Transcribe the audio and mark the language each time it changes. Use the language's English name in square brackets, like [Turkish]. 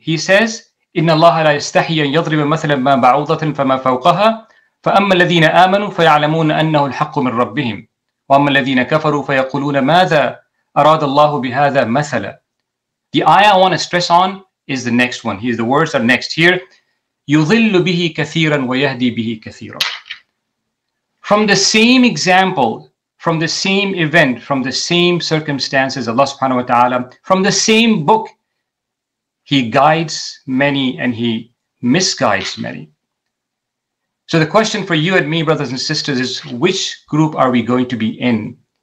[English] He says, [Arabic] إِنَّ اللَّهَ لَا يَسْتَحِي أَنْ يَضْرِبَ مَثَلًا مَا بَعُوضَةً فَمَا فَوْقَهَا فَأَمَّا الَّذِينَ آمَنُوا فَيَعْلَمُونَ أَنَّهُ الْحَقُّ مِنْ رَبِّهِمْ وَأَمَّا الَّذِينَ كَفَرُوا فَيَقُولُونَ مَاذَا أَرَادَ اللَّهُ بِهَذَا مَثَلًا. [English] The ayah I want to stress on is the next one. Here's the words are next here. [Arabic] يُضِلُّ بِهِ كَثِيرًا وَيَهْدِي بِهِ كَثِيرًا. [English] From the same example, from the same event, from the same circumstances, Allah subhanahu wa ta'ala, from the same book, He guides many and He misguides many. So the question for you and me, brothers and sisters, is which group are we going to be in?